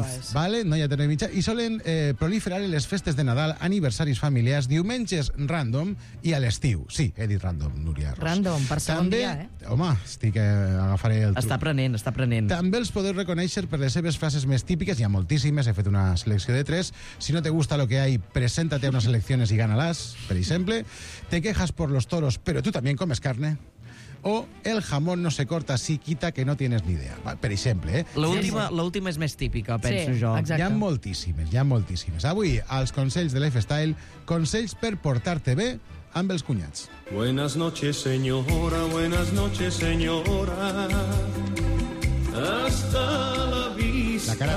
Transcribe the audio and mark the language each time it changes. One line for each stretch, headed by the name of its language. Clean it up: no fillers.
Catalan: ¿vale? No hi ha terme mitjà. I solen proliferar en les festes de Nadal, aniversaris familiars, diumenges random i a l'estiu. Sí, he dit random, Núria Ros. Random, per segon també, dia, Home, estic agafaré el truc. Està aprenent, està aprenent. També els podeu reconèixer per les seves frases més típiques, hi ha moltíssimes, he fet una selecció de tres.
Spanish: Si no te gusta lo que hay, preséntate a unas elecciones y gánalas,
Catalan: per exemple.
Spanish: Te quejas por los toros, pero tú también comes carne. O el jamón no se corta así, quita que no tienes ni idea.
Catalan: Per exemple, L'última és més típica, penso jo. Exacte. Hi ha moltíssimes. Avui, als consells de Lifestyle, consells per portar-te bé amb els cunyats.
Spanish: Buenas noches, señora. Buenas noches, señora. Hasta la vista.